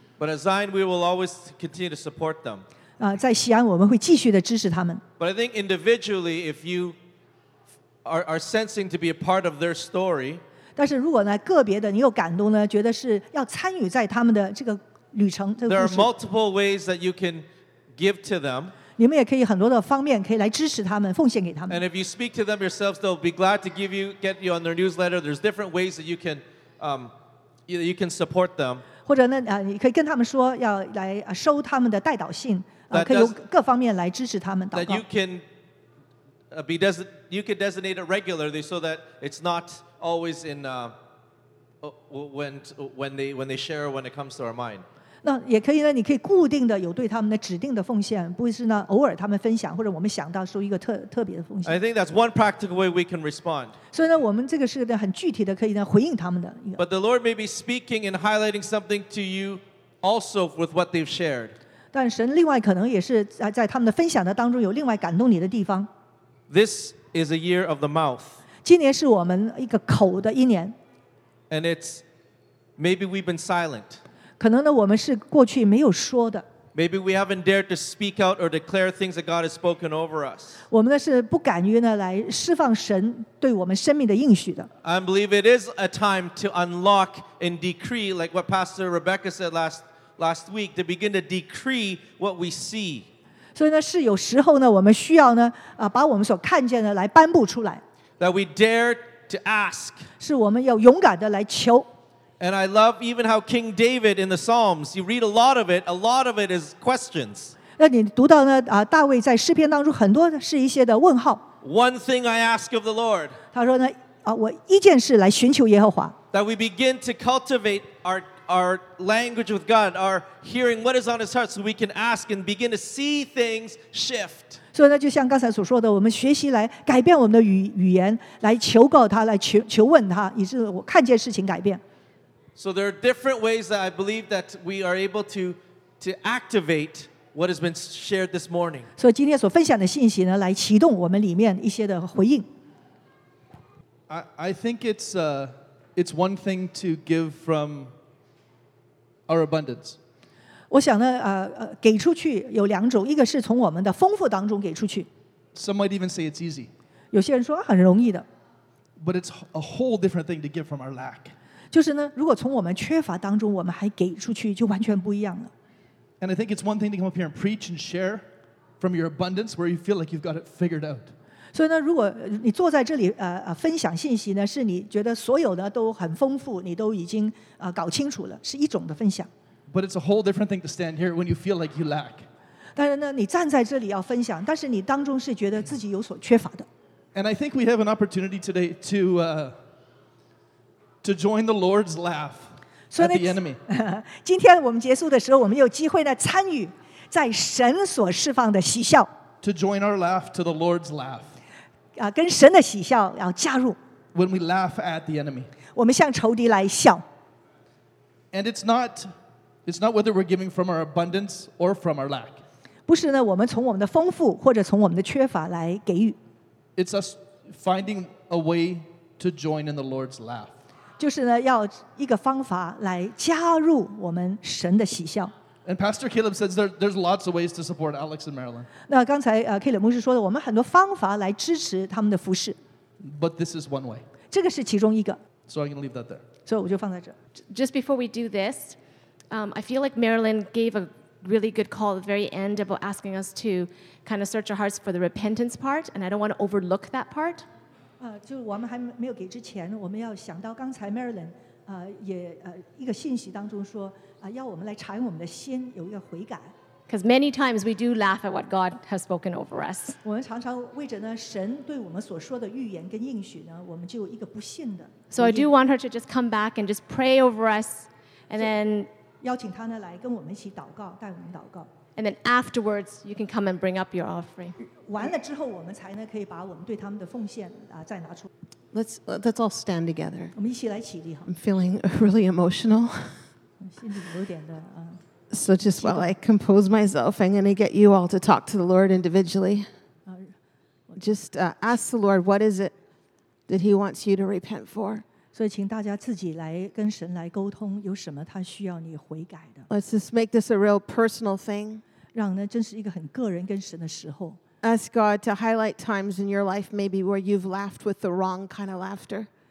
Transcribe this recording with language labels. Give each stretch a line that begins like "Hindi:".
English: But at Zion, we will always continue to support them.
Chinese: 啊，在西安我们会继续的支持他们。
English: But I think individually, if you are sensing to be a part of their story.
Chinese: 但是如果呢个别的你有感动呢觉得是要参与在他们的这个旅程这个故事。
English: There are multiple ways that you can give to them.
Chinese: 你们也可以很多的方面可以来支持他们奉献给他们。
English: And if you speak to them yourselves, they'll be glad to get you on their newsletter. There's different ways that you can support them.
Chinese: 或者呢你可以跟他们说要来收他们的代祷信可以有各方面来支持他们祷告。
English: That you can be designated. You could designate it regularly so that it's not always in when they share when it comes to our mind.
Chinese: 那也可以呢，你可以固定的有对他们的指定的奉献，不是呢偶尔他们分享或者我们想到说一个特别的奉献。
English: I think that's one practical way we can respond.
Chinese: 所以呢，我们这个是呢很具体的可以呢回应他们的一个。
English: But the Lord may be speaking and highlighting something to you also with what they've shared.
Chinese: 但神另外可能也是在他们的分享的当中有另外感动你的地方。
English: This is a year of the mouth.
Chinese: 今年是我们一个口的一年。
English: And it's maybe we've been silent.
Chinese: 可能呢，我们是过去没有说的。
English: Maybe we haven't dared to speak out or declare things that God has spoken over us.
Chinese: 我们呢是不敢于呢来释放神对我们生命的应许的。
English: I believe it is a time to unlock and decree, like what Pastor Rebecca said last week, to begin to decree what we see.
Chinese: 所以呢，是有时候呢，我们需要呢，把我们所看见的来颁布出来。
English: That we dare to ask.
Chinese: 是我们要勇敢的来求。
English: And I love even how King David in the Psalms, you read a lot of it is questions.
Chinese: 那你读到呢，大卫在诗篇当中很多是一些的问号。
English: One thing I ask of the Lord.
Chinese: 他说呢，我一件事来寻求耶和华。
English: That we begin to cultivate our language with God, our hearing what is on His heart, so we can ask and begin to see things shift.
Chinese: 所以呢，就像刚才所说的，我们学习来改变我们的语言，来求告他，来求问他，以致我看见事情改变。
English: So there are different ways that I believe that we are able to activate what has been shared this morning.
Chinese: 所以今天所分享的信息呢，来启动我们里面一些的回应。
English: I think it's one thing to give from. Our abundance.
Chinese: 我想呢，给出去有两种，一个是从我们的丰富当中给出去。
English: Some might even say it's easy.
Chinese: 有些人说很容易的。
English: But it's a whole different thing to give from our lack.
Chinese: 就是呢，如果从我们缺乏当中我们还给出去，就完全不一样了。
English: And I think it's one thing to come up here and preach and share from your abundance, where you feel like you've got it figured out.
Chinese: 所以呢，如果你坐在这里分享信息呢，是你觉得所有的都很丰富，你都已经搞清楚了，是一种的分享。
English: But it's a whole different thing to stand here when you feel like you lack.
Chinese: 当然呢，你站在这里要分享，但是你当中是觉得自己有所缺乏的。
English: And I think we have an opportunity today to join the Lord's laugh at the enemy.
Chinese: 今天我们结束的时候，我们有机会呢参与在神所释放的喜笑。
English: To join our laugh to the Lord's laugh.
Chinese: 跟神的喜笑要加入。
English: When we laugh at the enemy.
Chinese: 我们向仇敌来笑。
English: And it's not whether we're giving from our abundance or from our lack.
Chinese: 不是呢，我们从我们的丰富或者从我们的缺乏来给予。
English: It's us finding a way to join in the Lord's laugh.
Chinese: 就是呢，要一个方法来加入我们神的喜笑。
English: And Pastor Caleb says there's lots of ways to support Alex and Marilyn.
Chinese: 那刚才Caleb 牧师说的，我们很多方法来支持他们的服事。
English: But this is one way.
Chinese: 这个是其中一个。
English: So I'm going to leave that there.
Chinese: 所以我就放在这。
English: Just before we do this, I feel like Marilyn gave a really good call at the very end about asking us to kind of search our hearts for the repentance part, and I don't want to overlook that part.
Chinese: 就我们还没有给之前，我们要想到刚才 Marilyn 也一个信息当中说。要我们来查验我们的心，有一个悔改。
English: Because many times we do laugh at what God has spoken over us.
Chinese: 我们常常为着呢，神对我们所说的预言跟应许呢，我们就有一个不信的。
English: So I do want her to just come back and just pray over us, and then
Chinese: 邀请她呢来跟我们一起祷告，带我们祷告。
English: And then afterwards, you can come and bring up your offering.
Chinese: 完了之后，我们才呢可以把我们对他们的奉献啊再拿出。
English: Let's all stand together.
Chinese: 我们一起来起立,
English: I'm feeling really emotional.
Chinese: 心里有点的,
English: so just while I compose myself, I'm going to get you all to talk to the Lord individually. Just ask the Lord, what is it that he wants you to repent for?
Chinese: 所以请大家自己来跟神来沟通有什么他需要你悔改的。
English: Let's just make this a real personal thing.
Chinese: 让呢真是一个很个人跟神的时候。
English: Ask God to highlight times in your life maybe where you've laughed with the wrong kind of laughter.